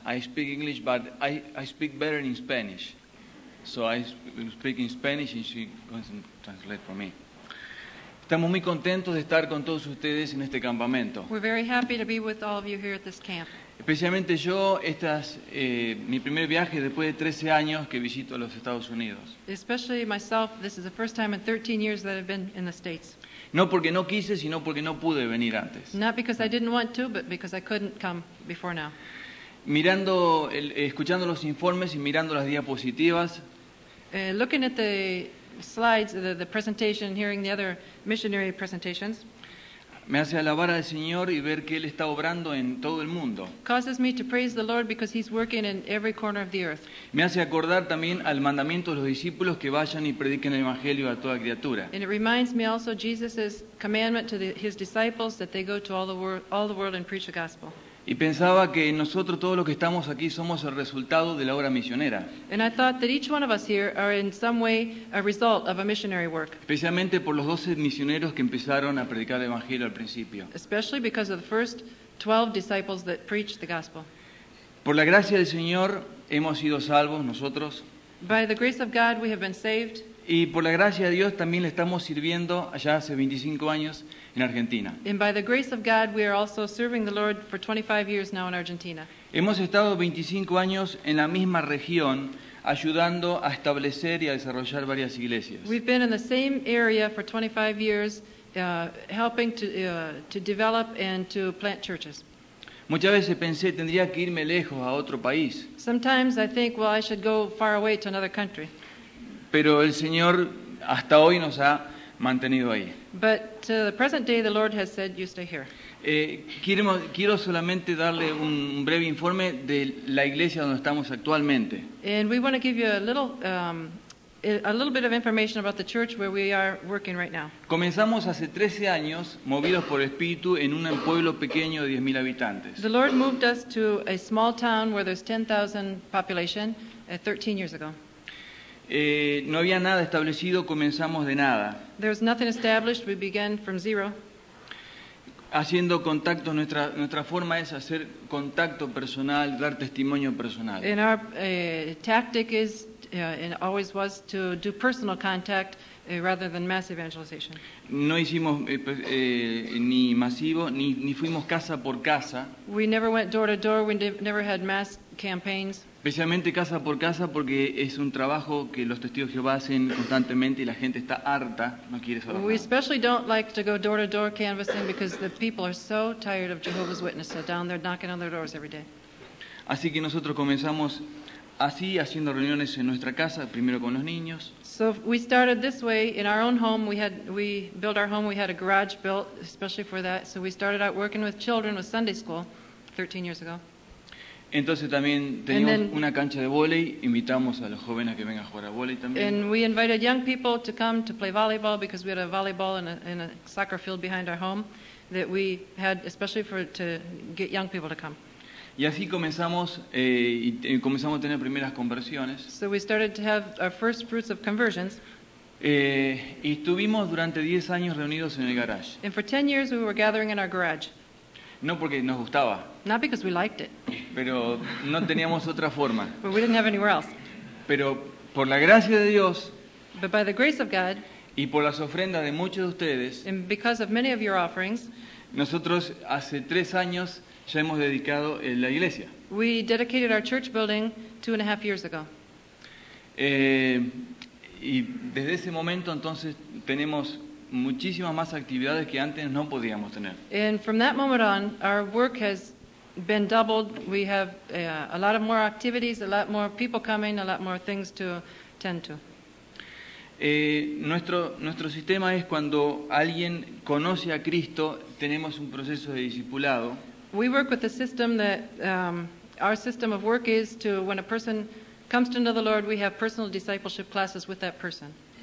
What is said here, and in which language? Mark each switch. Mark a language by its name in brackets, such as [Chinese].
[English] I speak English, but I speak better in Spanish. So I speak in Spanish and she goes and translates for me. [Spanish] Estamos muy contentos de estar con todos ustedes en este campamento. [English] We're very happy to be with all of you here at this camp. [Spanish] Especialmente yo, este es mi primer viaje después de 13 años que visito los Estados Unidos. [English] Especially myself, this is the first time in 13 years that I've been in the States. [Spanish] No porque no quise, sino porque no pude venir antes. [English] Not because I didn't want to, but because I couldn't come before now. [Spanish] Mirando, escuchando los informes y mirando las diapositivas. [English] Looking at the slides, the presentation, hearing the other missionary presentations. [Spanish] Me hace alabar al Señor y ver que Él está obrando en todo el mundo. [English] Causes me to praise the Lord because He's working in every corner of the earth. [Spanish] Me hace acordar también al mandamiento de los discípulos que vayan y prediquen el Evangelio a toda criatura. [English] And it reminds me also Jesus' commandment to His disciples that they go to all the world and preach the gospel. [Spanish] Y pensaba que nosotros todos los que estamos aquí somos el resultado de la obra misionera. [English] And I thought that each one of us here are in some way a result of a missionary work. [Spanish] Especialmente por los 12 misioneros que empezaron a predicar el evangelio al principio. [English] Especially because of the first 12 disciples that preached the gospel. [Spanish] Por la gracia del Señor hemos sido salvos nosotros. [English] By the grace of God we have been saved. [Spanish] Y por la gracia de Dios también le estamos sirviendo allá hace 25 años en Argentina. [English] And by the grace of God we are also serving the Lord for 25 years now in Argentina. [Spanish] Hemos estado 25 años en la misma región ayudando a establecer y a desarrollar varias iglesias. [English] We've been in the same area for 25 years helping to develop and to plant churches. [Spanish] Muchas veces pensé tendría que irme lejos a otro país. [English] Sometimes I think, well, I should go far away to another country. [Spanish] Pero el Señor hasta hoy nos ha mantenido ahí. [English] But to the present day, the Lord has said, you stay here. [Spanish] Quiero solamente darle un breve informe de la iglesia donde estamos actualmente. [English] And we want to give you a little bit of information about the church where we are working right now. [Spanish] Comenzamos hace 13 años, movidos por el Espíritu, en un pueblo pequeño de 10,000 habitantes. [English] The Lord moved us to a small town where there's 10,000 population 13 years ago. [Spanish] No había nada establecido, comenzamos de nada. [English] There was nothing established, we began from zero. [Spanish] Haciendo contacto, nuestra forma es hacer contacto personal, dar testimonio personal. [English] And our tactic is and always was to do personal contact rather than mass evangelization. [Spanish] No hicimos ni masivo, ni fuimos casa por casa. [English] We never went door to door, we never had mass campaigns. [Spanish] Especialmente casa por casa porque es un trabajo que los testigos de Jehová hacen constantemente y la gente está harta, no quiere saber nada. [English] We especially don't like to go door to door canvassing because the people are so tired of Jehovah's Witnesses down there knocking on their doors every day. [Spanish] Así que nosotros comenzamos así, haciendo reuniones en nuestra casa, primero con los niños. [English] So we started this way in our own home. We built our home, we had a garage built especially for that. So we started out working with children with Sunday school 13 years ago. [Spanish] Entonces también teníamos then, una cancha de vóley, invitamos a los jóvenes a que vengan a jugar a vóley también. [English] And we invited young people to come to play volleyball because we had a volleyball in a soccer field behind our home that we had especially for to get young people to come. [Spanish] Y así comenzamos comenzamos a tener primeras conversiones. [English] So we started to have our first fruits of conversions. [Spanish] Y estuvimos durante 10 años reunidos en el garage. [English] And for 10 years we were gathering in our garage. [Spanish] No porque nos gustaba. [English] Not because we liked it. [Spanish] Pero no teníamos otra forma. [English] But we didn't have anywhere else. [Spanish] Pero por la gracia de Dios. [English] But by the grace of God. [Spanish] Y por las ofrendas de muchos de ustedes. [English] And because of many of your offerings. [Spanish] Nosotros hace 3 años ya hemos dedicado la iglesia. [English] We dedicated our church building 2.5 years ago. [Spanish] Y desde ese momento entonces tenemos muchísimas más actividades que antes no podíamos tener. [English] And from that moment on, our work has been doubled. We have a lot of more activities, a lot more people coming, a lot more things to tend to. [Spanish] Nuestro sistema es cuando alguien conoce a Cristo, tenemos un proceso de discipulado. [English] We work with a system that our system of work is to when a person comes to know the Lord, we have personal discipleship classes with that person.